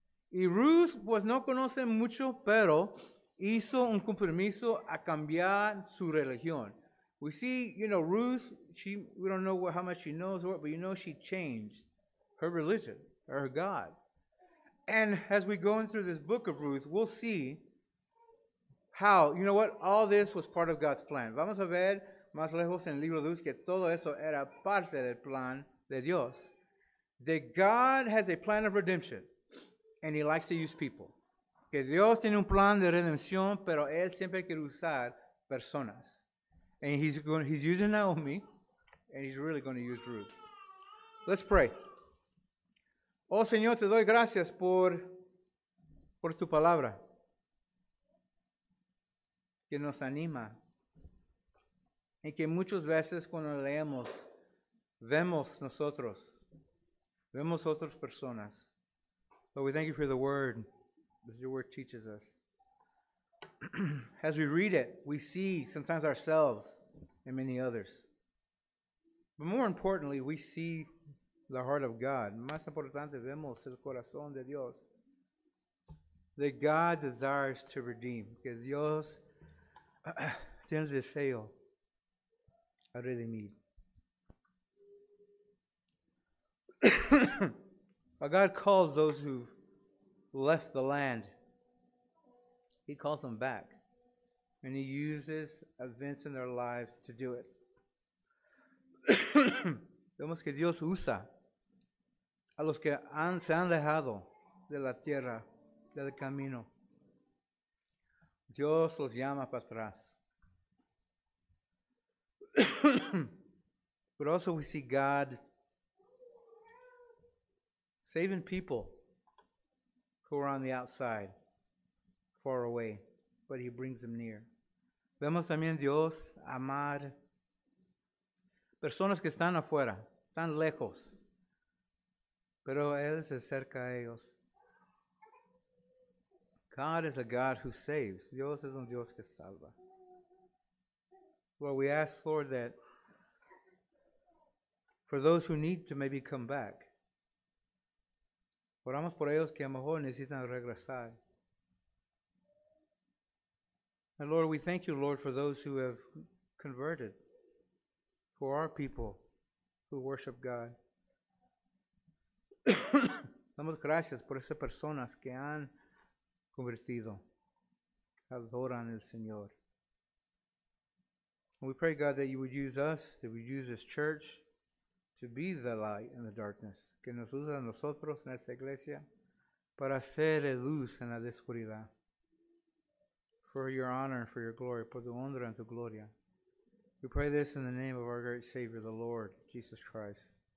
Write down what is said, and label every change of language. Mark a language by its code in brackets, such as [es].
[es] Y Ruth, pues no conoce mucho, pero hizo un compromiso a cambiar su religión. [en] We see, you know, Ruth, we don't know how much she knows, or what, but you know she changed her religion, her God. And as we go through this book of Ruth, we'll see how, you know what, all this was part of God's plan. [es] Vamos a ver más lejos en el libro de Ruth que todo eso era parte del plan de Dios. [en] That God has a plan of redemption, and he likes to use people. [es] Que Dios tiene un plan de redención, pero él siempre quiere usar personas. [en] And he's using Naomi, and he's really going to use Ruth. Let's pray. [es] Oh, Señor, te doy gracias por tu palabra. Que nos anima. Y que muchas veces cuando leemos, vemos otras personas. [en] But we thank you for the word, as your word teaches us. As we read it, we see sometimes ourselves and many others. But more importantly, we see the heart of God. [es] Más importante, vemos el corazón de Dios. [en] That God desires to redeem. [es] Que Dios tiene deseo a redimir. [en] But God calls those who left the land. He calls them back. And he uses events in their lives to do it. [es] Vemos que Dios usa a los que se han alejado de la tierra, del camino. Dios los llama para atrás. [en] But also we see God saving people who are on the outside, far away, but he brings them near. [es] Vemos también Dios amar personas que están afuera, tan lejos, pero él se acerca a ellos. [en] God is a God who saves. [es] Dios es un Dios que salva. [en] Lord, we ask, Lord, that for those who need to maybe come back. [es] Oramos por ellos que a lo mejor necesitan regresar. [en] And Lord, we thank you, Lord, for those who have converted, for our people who worship God. [es] Damos gracias por esas personas que han convertido, que adoran el Señor. [en] And we pray, God, that you would use us, that we use this church to be the light in the darkness. [es] Que nos usa nosotros en esta iglesia para ser luz en la oscuridad. [en] For your honor and for your glory, [es] por tu honra y tu gloria. [en] We pray this in the name of our great Savior, the Lord Jesus Christ.